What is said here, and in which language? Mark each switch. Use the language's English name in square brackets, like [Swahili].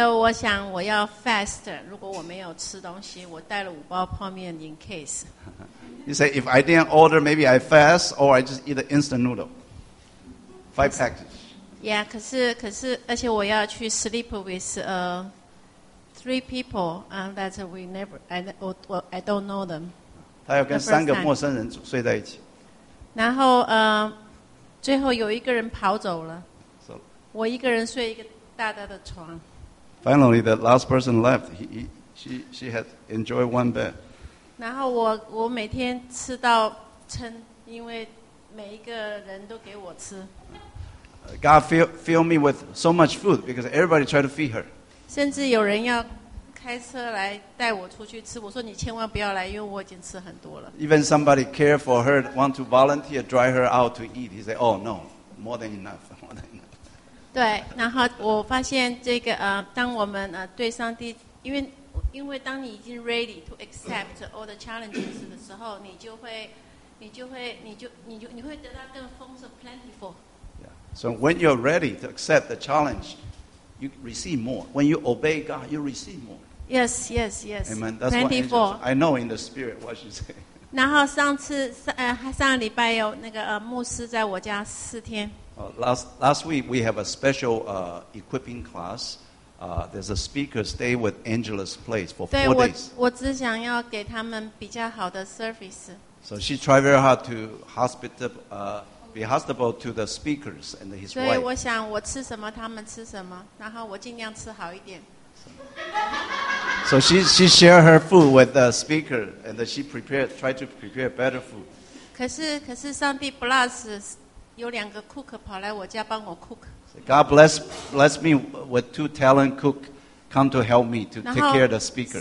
[Chinese] 但我想我要 fast. 如果我没有吃东西，我带了五包泡面 [English] in case. You say, if I didn't order, maybe I fast, or I just eat an instant noodle. Five packages. Yeah, [Chinese] 可是而且我要去 [English] sleep with three people, and that we never, I don't know them. [Chinese] 他要跟三个陌生人睡在一起。然后最后有一个人跑走了。 [English] So, [Chinese] 我一个人睡一个大的床。 [English] Finally, the last person left. She had enjoyed one bed. [Chinese] 然后我每天吃到撑，因为每一个人都给我吃。 [English] God fill me with so much food because everybody tried to feed her. [Chinese] 甚至有人要开车来带我出去吃，我说你千万不要来，因为我已经吃很多了。 [English] Even somebody care for her want to volunteer drive her out to eat. He said, "Oh no, more than enough." [Chinese] 对，然后我发现这个当我们对上帝，因为当你已经 [English] ready to accept all the challenges [Chinese] 的时候，你会得到更丰盛 plentiful。 [English] Yeah. So when you're ready to accept the challenge, you receive more. When you obey God, you receive more. Yes, yes, yes. Amen. That's plentiful. What I know in the spirit what you say. [Chinese] 然后上个礼拜有那个牧师在我家四天。 [English] Last week we have a special equipping class. There's a speaker stay with Angela's place for 4 days. [Chinese] 我只想要给他们比较好的 service. [English] So she tried very hard to be hospitable to the speakers and his wife. [Chinese] 所以我想我吃什么他们吃什么，然后我尽量吃好一点。 [English] So she shared her food with the speaker and she tried to prepare better food. [Chinese] 可是上帝 bless 有两个 cook 跑来我家帮我 cook. [English] God bless me with two talented cook come to help me to take care of the speaker.